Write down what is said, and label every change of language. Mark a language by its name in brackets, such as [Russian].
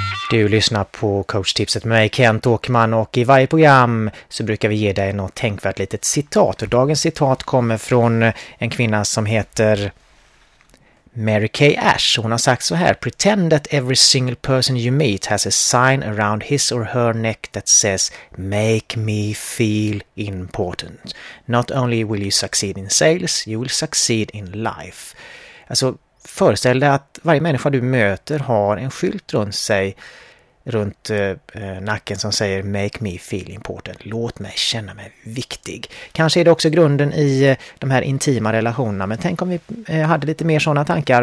[Swedish] Du lyssnar på coachtipset med mig, Kent Åkerman, och i varje program så brukar vi ge dig något tänkvärt litet citat. Och dagens citat kommer från en kvinna som heter [English] Mary Kay Ash, [Swedish] hon har sagt så här: [English] pretend that every single person you meet has a sign around his or her neck that says make me feel important. Not only will you succeed in sales, you will succeed in life. [Swedish] Alltså föreställ dig att varje människa du möter har en skylt runt sig, runt nacken, som säger [English] make me feel important, [Swedish] låt mig känna mig viktig. Kanske är det också grunden i de här intima relationerna, men tänk om vi hade lite mer sådana tankar.